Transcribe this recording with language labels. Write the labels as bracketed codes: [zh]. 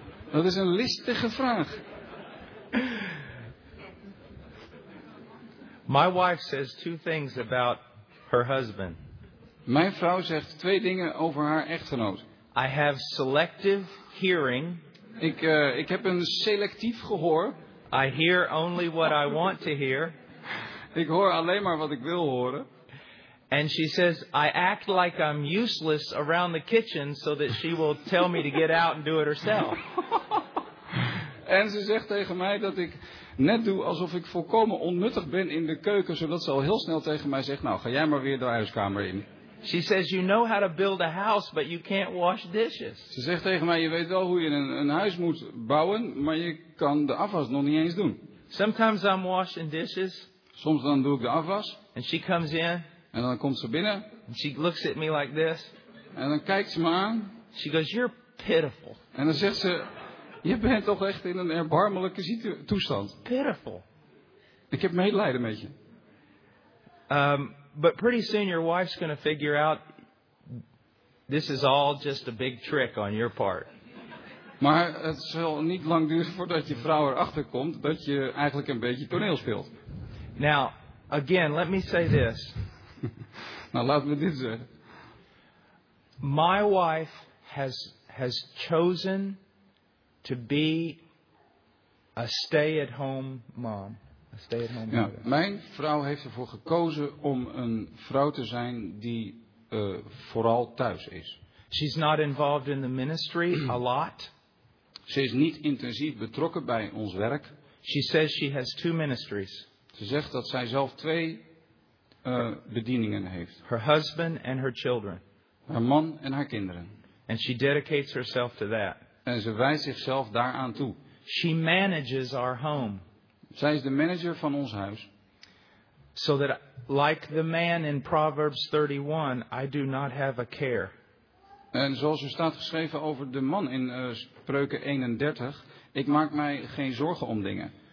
[nl] Dat is een listige vraag. [en] My wife says two things about her husband. [nl] Mijn vrouw zegt twee dingen over haar echtgenoot. [en] I have selective hearing. [nl] Ik heb een selectief gehoor. [en] I hear only what I want to hear. [nl] Ik hoor alleen maar wat ik wil horen. [en] And she says I act like I'm useless around the kitchen so that she will tell me to get out and do it herself. [nl] En ze zegt tegen mij dat ik net doe alsof ik volkomen onnuttig ben in de keuken, zodat ze al heel snel tegen mij zegt: nou, ga jij maar weer de huiskamer in. [en] She says you know how to build a house, but you can't wash dishes. [nl] Ze zegt tegen mij: je weet wel hoe je een huis moet bouwen, maar je kan de afwas nog niet eens doen. [en] Sometimes I'm washing dishes. [nl] Soms dan doe ik de afwas. [en] And she comes in. [nl] En dan komt ze binnen. [en] And she looks at me like this. [nl] En dan kijkt ze me aan. [en] She goes, you're pitiful. [nl] En dan zegt ze: je bent toch echt in een erbarmelijke toestand. [en] Pitiful. [nl] Ik heb medelijden met je. [en] But pretty soon your wife's going to figure out this is all just a big trick on your part. [nl] Maar het zal niet lang duren voordat je vrouw erachter komt dat je eigenlijk een beetje toneel speelt. [en] Now, again, let me say this. [nl] Nou, laat me dit zeggen. [en] My wife has chosen to be a stay-at-home mom. A stay-at-home mother. [nl] Ja, mijn vrouw heeft ervoor gekozen om een vrouw te zijn die vooral thuis is. [en] She's not involved in the ministry a lot. [nl] Ze is niet intensief betrokken bij ons werk. [en] She says she has two ministries. [nl] Ze zegt dat zij zelf twee bedieningen heeft. [en] Her husband and her children. [nl] Haar man en haar kinderen. [en] And she dedicates herself to that. [nl] En ze wijst zichzelf daaraan toe. [en] She manages our home. [nl] Zij is de manager van ons huis. [en] So that, like the man in Proverbs 31, I do not have a care. [nl] En zoals er staat geschreven over de man in Spreuken 31, ik maak mij geen zorgen om dingen.